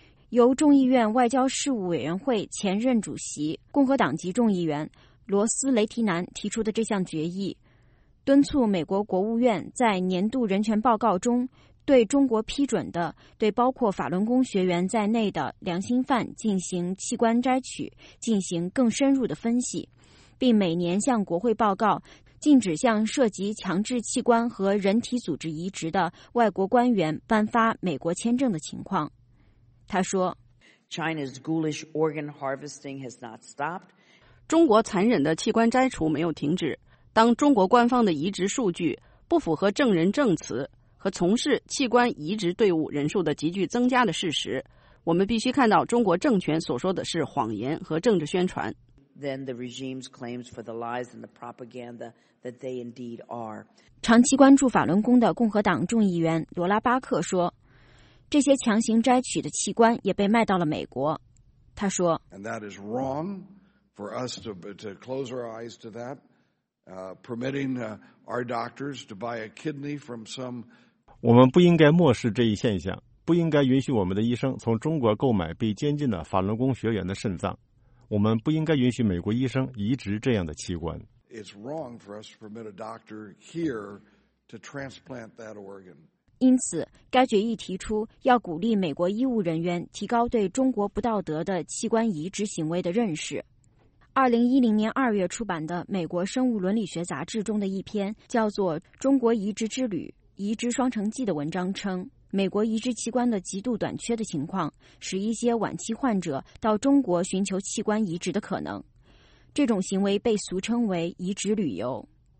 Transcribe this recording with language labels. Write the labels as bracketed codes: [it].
[zh] 由众议院外交事务委员会前任主席、共和党籍众议员罗斯·雷提南提出的这项决议，敦促美国国务院在年度人权报告中对中国批准的对包括法轮功学员在内的良心犯进行器官摘取进行更深入的分析，并每年向国会报告禁止向涉及强制器官和人体组织移植的外国官员颁发美国签证的情况。他说 [en] China's ghoulish organ harvesting has not stopped. [zh] 中国残忍的器官摘除没有停止。当中国官方的移植数据不符合证人证词和从事器官移植队伍人数的急剧增加的事实，我们必须看到中国政权所说的是谎言和政治宣传。 [en] Then the regime's claims for the lies and the propaganda that they indeed are. [zh] 长期关注法轮功的共和党众议员罗拉巴克说，这些强行摘取的器官也被卖到了美国。他说 [en] And that is wrong for us to close our eyes to that, permitting our doctors to buy a kidney from some. [zh] 我们不应该漠视这一现象，不应该允许我们的医生从中国购买被监禁的法轮功学员的肾脏。我们不应该允许美国医生移植这样的器官。 [en] It's wrong for us to permit a doctor here to transplant that organ. [zh] 因此，该决议提出要鼓励美国医务人员提高对中国不道德的器官移植行为的认识。 2010年2月出版的美国生物伦理学杂志中的一篇叫做《中国移植之旅：移植双城记》的文章称，美国移植器官的极度短缺的情况使一些晚期患者到中国寻求器官移植的可能，这种行为被俗称为移植旅游。